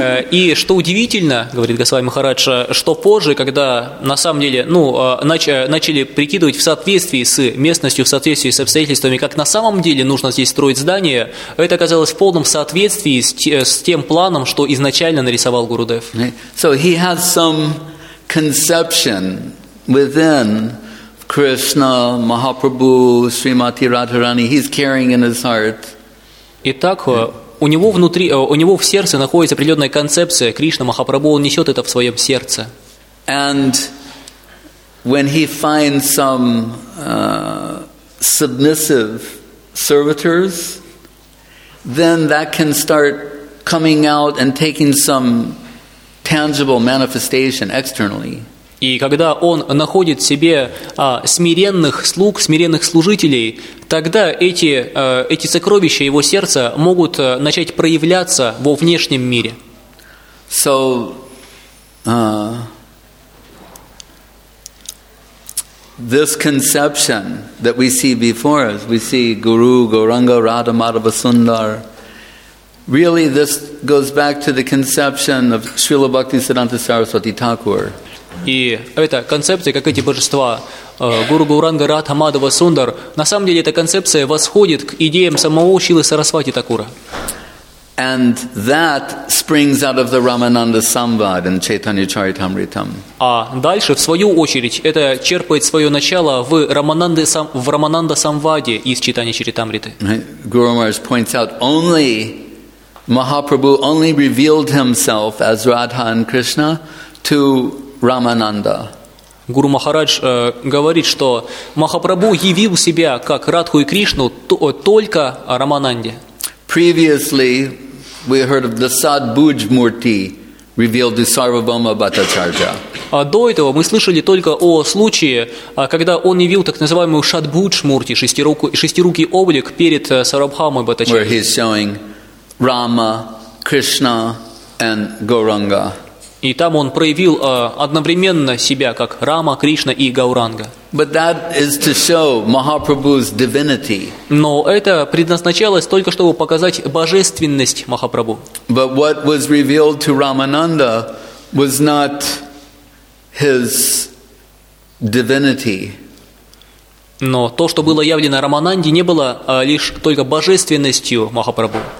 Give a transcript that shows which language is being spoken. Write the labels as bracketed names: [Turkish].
[Russian] И что удивительно, говорит Госвами Махарадж, что позже, когда на самом деле, ну, начали прикидывать в соответствии с местностью, в соответствии с обстоятельствами, как на самом деле нужно здесь строить здание, это оказалось в полном соответствии с тем планом, что изначально нарисовал Гурудев. [English] So he has some conception within Krishna, Mahaprabhu, Srimati Radharani, he's carrying in his heart. [Russian] Итак, у него внутри, у него в сердце находится определенная концепция. Кришна, Махапрабху, он несет это в своем сердце. [English] And when he finds some submissive servitors, then that can start coming out and taking some tangible manifestation externally. [Russian] И когда он находит себе смиренных слуг, смиренных служителей, тогда эти сокровища его сердца могут начать проявляться во внешнем мире. [English] So, this conception that we see before us, we see Guru, Gauranga, Radha, Madhava, Sundar, really this goes back to the conception of Srila Bhakti Siddhanta Saraswati Thakur. [Russian] И эта концепция, как эти божества, Гуру Гауранга, Радха, Мадхава, Сундар, на самом деле эта концепция восходит к идеям самого Шрилы Сарасвати Такура. [English] And that springs out of the Ramananda Samvad and Chaitanya Charitamritam. [Russian] А дальше, в свою очередь, это черпает свое начало в Рамананда Самваде из Чайтанья Чаритамриты. [English] Guru Maharaj points out, only Mahaprabhu only revealed himself as Radha and Krishna to Рамананда. [Russian] Гуру Махарадж говорит, что Махапрабху явил себя как Радху и Кришну только Рамананде. [English] Previously, We heard of the Sadbhuj Murti revealed to Sarvabhauma Bhattacharya. [Russian] До этого мы слышали только о случае, когда он явил так называемую Шадбудж Мурти, шестирукий облик перед Сарабхамой Бхаттачарьей. [English] Where he's showing Rama, Krishna and Gauranga. [Russian] И там он проявил одновременно себя как Рама, Кришна и Гауранга. [English] But that is to show Mahaprabhu's divinity. [Russian] Но это предназначалось только чтобы показать божественность Махапрабху. [English] But what was revealed to Ramananda was not his divinity. [Russian] Но то, что было явлено Рамананде, не было лишь только божественностью Махапрабху.